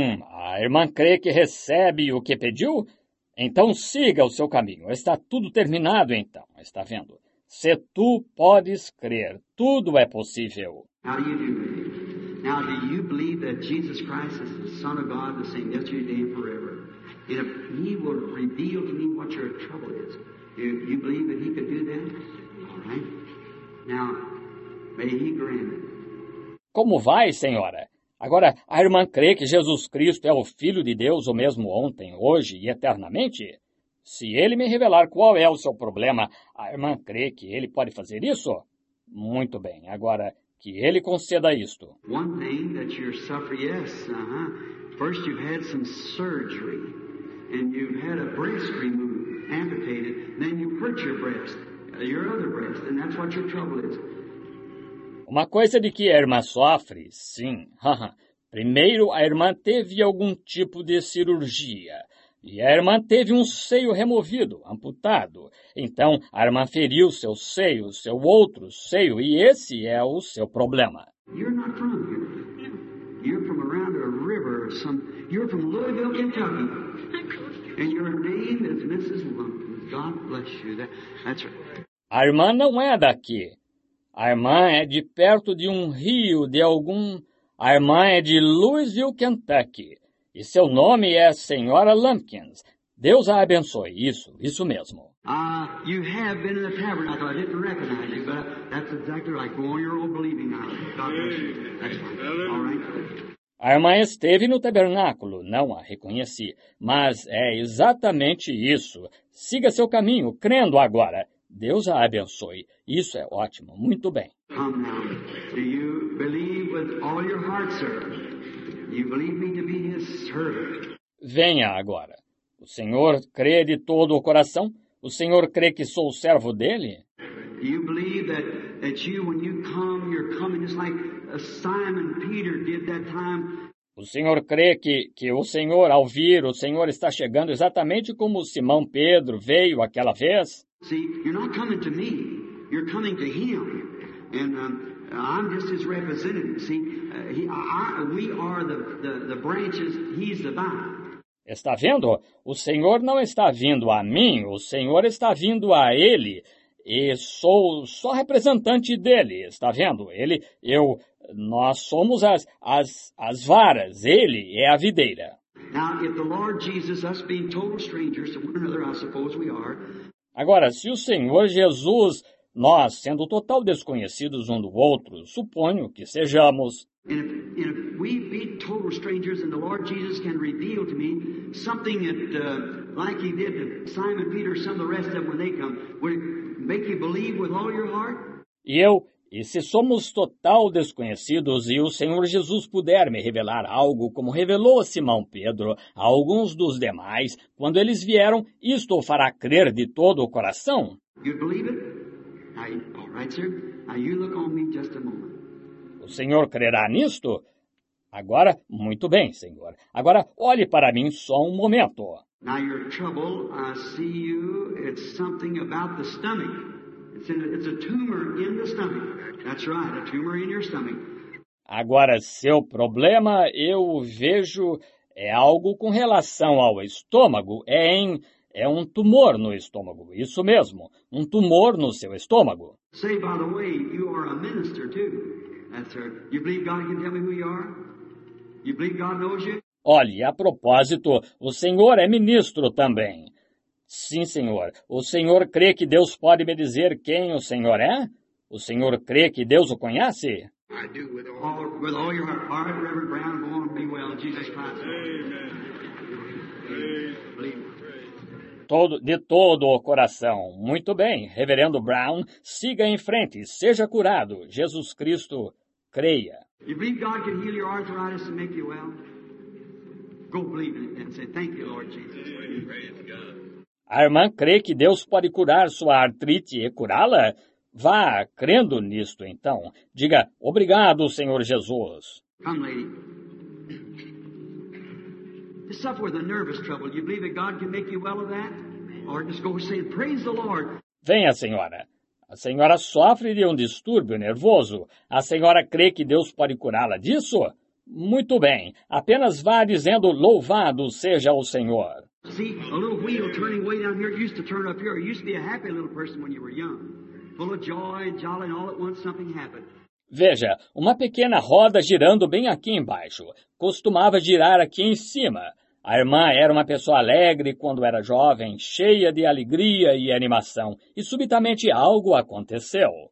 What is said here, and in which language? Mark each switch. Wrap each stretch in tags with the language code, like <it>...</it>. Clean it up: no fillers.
<pt>A irmã crê que recebe o que pediu? Então siga o seu caminho. Está tudo terminado, então. Está vendo? Se tu podes crer, tudo é possível.</pt> <en>How do you do that? Now, do you believe that Jesus Christ is the Son of God, the same yesterday and forever? And if he will reveal to me what your trouble is, do you believe that he could do that? All right. Now, may he grant it.</en> <pt>Como vai, senhora? Agora, a irmã crê que Jesus Cristo é o Filho de Deus, o mesmo ontem, hoje e eternamente? Se ele me revelar qual é o seu problema, a irmã crê que ele pode fazer isso? Muito bem. Agora, que ele conceda isto.</pt> <en>One thing that you're suffering, yes, First you've had some surgery, and you've had a breast removed, amputated, then you hurt your other breast, and that's what your trouble is.</en> <pt>Uma coisa de que a irmã sofre, sim. Primeiro, a irmã teve algum tipo de cirurgia. E a irmã teve um seio removido, amputado. Então, a irmã feriu seu seio, seu outro seio, e esse é o seu problema.</pt> <en>You're not from here. You're from around a river or some. You're from Louisville, Kentucky. And your name is Mrs. Lumpkin. God bless you. That's right.</en> <pt>A irmã não é daqui. A irmã é de perto de um rio, de algum... A irmã é de Louisville, Kentucky. E seu nome é Senhora Lumpkins. Deus a abençoe. Isso, isso mesmo.</pt> <en>You have been in the tabernacle. I didn't recognize you, but that's exactly like going your old believing now. God bless you. That's fine. All right.</en> <pt>Armaia esteve no tabernáculo, não a reconheci, mas é exatamente isso. Siga seu caminho, crendo agora. Deus a abençoe. Isso é ótimo, muito bem.</pt> <en>Come now. Do you believe with all your heart, sir? You believe me to be his servant.</en> <pt>Venha agora. O senhor crê de todo o coração? O senhor crê que sou o servo dele?</pt> <en>You believe that you, when you come, you're coming just like Simon Peter did that time.</en> <pt>O senhor crê que o senhor, ao vir, o senhor está chegando exatamente como Simão Pedro veio aquela vez?</pt> <en>See, you're not coming to me. You're coming to him. And I'm just his representative. See, we are the branches. He's the vine.</en> <pt>Está vendo? O senhor não está vindo a mim, o senhor está vindo a ele. E sou só representante dele, está vendo? Ele, eu, nós somos as varas, ele é a videira.</pt> <en>Now, if the Lord Jesus, us being total strangers to one another, I suppose we are.</en> <pt>Agora, se o Senhor Jesus, nós, sendo total desconhecidos um do outro, suponho que sejamos.</pt> <en>And if we be total strangers and the Lord Jesus can reveal to me something like he did to Simon Peter, some of the rest of them when they come, would it make you believe with all your heart?</en> <pt>E se somos total desconhecidos e o Senhor Jesus puder me revelar algo como revelou a Simão Pedro, a alguns dos demais, quando eles vieram, isto o fará crer de todo o coração?</pt> <en>You'd believe it? All right, sir. Now you look on me just a moment.</en> <pt>O senhor crerá nisto? Agora, muito bem, senhor. Agora, olhe para mim só um momento.</pt> <en>Now your trouble, I see you, it's something about the stomach. It's a tumor in the stomach. That's right, a tumor in your stomach.</en> <pt>Agora, seu problema, eu vejo, é algo com relação ao estômago. É um tumor no estômago, isso mesmo. Um tumor no seu estômago.</pt> <en>Say, by the way, you are a minister, too. You believe God can tell me who you are? You believe God knows you?</en> <pt>Olhe, a propósito, o senhor é ministro também. Sim, senhor. O senhor crê que Deus pode me dizer quem o senhor é? O senhor crê que Deus o conhece?</pt> <en>I do with all your heart, Reverend Brown, go on, be well, Jesus Christ. Amen.</en> <pt>De todo o coração. Muito bem, Reverendo Brown, siga em frente, seja curado. Jesus Cristo, creia.</pt> <en>You believe God can heal your arthritis and make you well? Go believe it and say, thank you, Lord Jesus.</en> <pt>A irmã crê que Deus pode curar sua artrite e curá-la? Vá crendo nisto, então. Diga, obrigado, Senhor Jesus.</pt> <en>Come, lady. To suffer with a nervous trouble, you believe that God can make you well of that? Or just go say, praise the Lord.</en> <pt>Venha, senhora. A senhora sofre de um distúrbio nervoso. A senhora crê que Deus pode curá-la disso? Muito bem. Apenas vá dizendo, louvado seja o Senhor.</pt> <en>See, a little wheel turning way down here used to turn up here. You used to be a happy little person when you were young. Full of joy and jolly, and all at once something happened.</en> <pt>Veja, uma pequena roda girando bem aqui embaixo. Costumava girar aqui em cima. A irmã era uma pessoa alegre quando era jovem, cheia de alegria e animação. E subitamente algo aconteceu.</pt>